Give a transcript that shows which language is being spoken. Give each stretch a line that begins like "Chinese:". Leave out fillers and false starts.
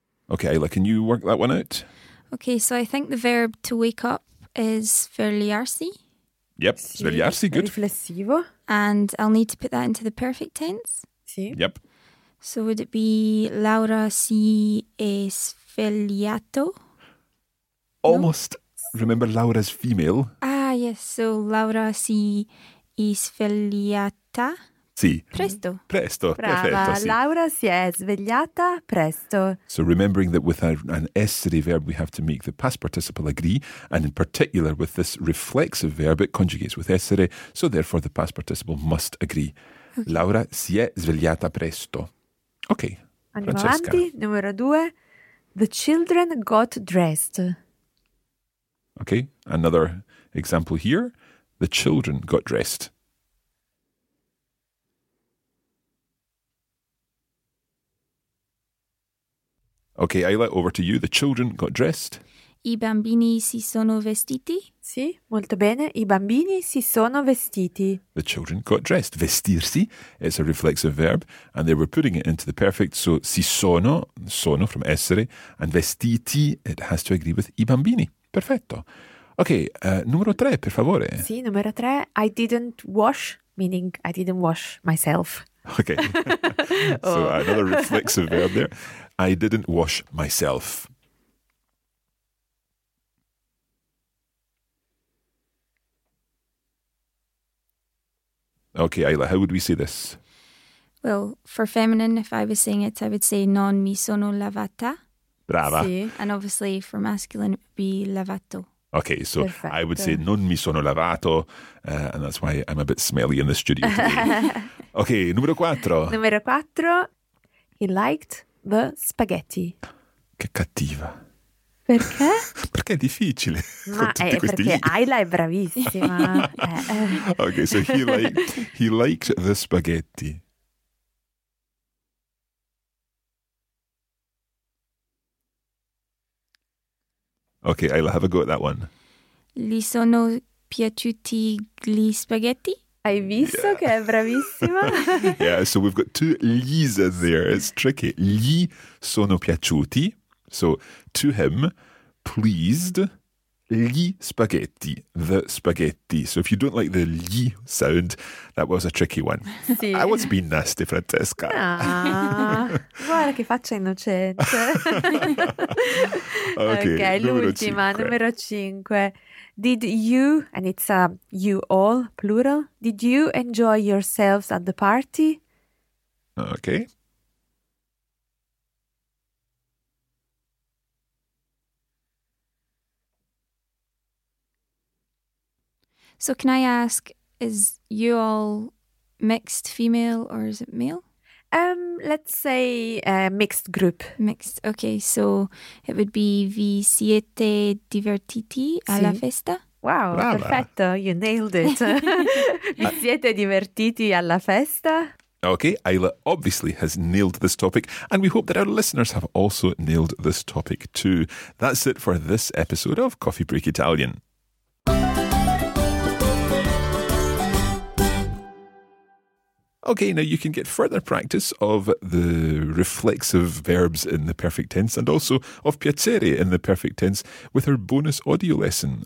English: Okay, Ayla, can you work that one out? Okay, so I think the verb to wake up is svegliarsi. Yep, sì. Svegliarsi, good.
Italian: Riflessivo.
English: And I'll need to put that into the perfect tense.
Italian: Sì.
English: Yep. So would it be
Italian: Laura si è svegliato?
English: Almost. No? Remember, Laura's female. Ah, yes. So
Italian: Laura si è svegliata. Sì. Presto. Presto. Brava. Perfetto, sì. Laura si è svegliata presto.
English: So remembering that with an essere verb, we have to make the past participle agree. And in particular, with this reflexive verb, it conjugates with essere. So therefore, the past participle must agree. Okay.
Italian: Laura si è svegliata presto.
English: Okay.
Italian: Andiamo Francesca. Avanti. Numero due.
English: The children got dressed. Okay. Another example here. The children got dressed. Okay, Ayla, over to you. The children got dressed.
Italian: I bambini si sono vestiti. Sì, molto bene. I bambini si sono vestiti.
English: The children got dressed. Vestirsi is a reflexive verb, and they were putting it into the perfect. So, si sono, sono from essere, and vestiti, it has to agree with i bambini. Perfetto.
Italian: Okay, numero tre, per favore. Sì, numero tre.
English: I didn't wash, meaning I didn't wash myself. Okay. So, oh. Another reflexive verb there. I didn't wash myself. Okay, Ayla, how would we say this? Well, for feminine, if I was saying it, I would say
Italian: non mi sono lavata. Brava. Sì.
English: And obviously for masculine, it would be lavato. Okay, so perfetto. I would say
Italian: non mi sono lavato,
English: and that's why I'm a bit smelly in the studio today.
Italian: Okay, numero quattro. Numero quattro,
English: he liked the spaghetti.
Italian: Che cattiva. Perché? Perché è difficile. Ma è perché Ayla è bravissima.
English: Okay, so he liked the spaghetti. Okay, Ayla, have a go at that one.
Italian: Gli sono piaciuti gli spaghetti? Hai visto yeah. Che è bravissima?
English: Yeah, so we've got two gli's there. It's tricky.
Italian: Gli sono piaciuti.
English: So to him, pleased,
Italian: gli spaghetti,
English: the spaghetti. So if you don't like the gli sound, that was a tricky one.
Italian: Sì.
English: I was being nasty, Francesca. No.
Italian: Guarda che faccia innocente.
English: Okay,
Italian: okay, l'ultima, numero cinque.
English: Did you, and it's you all, plural, did you enjoy yourselves at the party? Okay. So can I ask, is you all mixed female or is it male? Let's say a mixed group. Mixed, okay, so it would be
Italian: vi siete divertiti alla festa?
English: Wow,
Italian: brava.
English: Perfetto, you nailed it.
Italian: Vi siete divertiti alla festa?
English: Okay, Ayla obviously has nailed this topic, and we hope that our listeners have also nailed this topic too. That's it for this episode of Coffee Break Italian. Okay, now you can get further practice of the reflexive verbs in the perfect tense and also of piacere in the perfect tense with our bonus audio lesson.